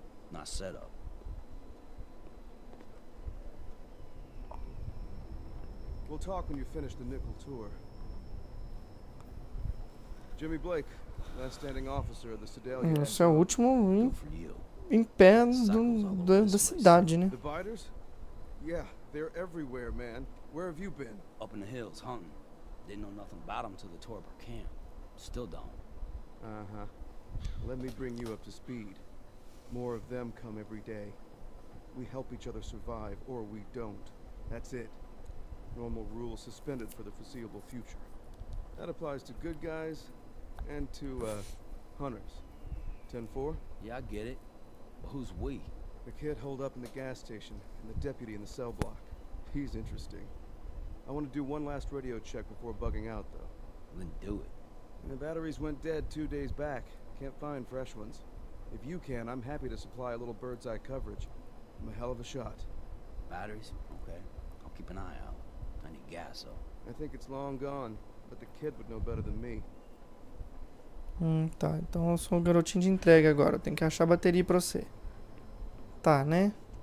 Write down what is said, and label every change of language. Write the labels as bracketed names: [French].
[English] Not set up. We'll talk when you finish the nickel tour. Jimmy Blake, last standing officer of the Sedalia. [Portuguese] Esse é o último em pé da cidade, né? [English] Dividers? Yeah, they're everywhere, man. Where have you been? Up in the hills, hunting. Didn't know nothing about them till the tour broke camp. Still don't. Uh-huh. Let me bring you up to speed. More of them come every day. We help each other survive, or we don't. That's it. Normal rules suspended for the foreseeable future. That applies to good guys And to, hunters. 10-4? Yeah, I get it. But who's we? The kid holed up in the gas station, and the deputy in the cell block. He's interesting. I want to do one last radio check before bugging out, though. Then do it. And the batteries went dead 2 days back. Can't find fresh ones. If you can, I'm happy to supply a little bird's eye coverage. I'm a hell of a shot. Batteries? Okay. I'll keep an eye out. I need gas, though. I think it's long gone, but the kid would know better than me. [Portuguese] Tá. Então eu sou um garotinho de entrega agora. Tem que achar bateria pra você. Tá, né?